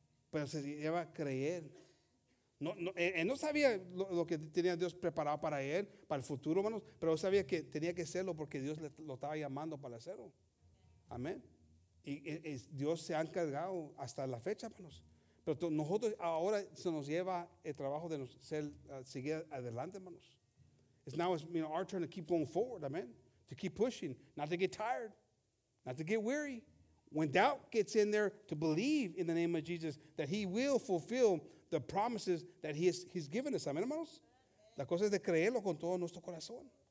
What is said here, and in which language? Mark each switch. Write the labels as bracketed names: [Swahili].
[Spanish] Pero se lleva a creer. Él no sabía lo que tenía Dios preparado para él, para el futuro, hermanos, pero él sabía que tenía que hacerlo porque Dios lo estaba llamando para hacerlo. Amén. Y Dios se ha encargado hasta la fecha, hermanos. Pero nosotros ahora se nos lleva el trabajo de seguir adelante, hermanos. [English] It's now our turn to keep going forward, amen. To keep pushing, not to get tired, not to get weary. When doubt gets in there, to believe in the name of Jesus that he will fulfill the promises that he's given us, amen, hermanos. [Spanish] La cosa es de creerlo con todo nuestro corazón.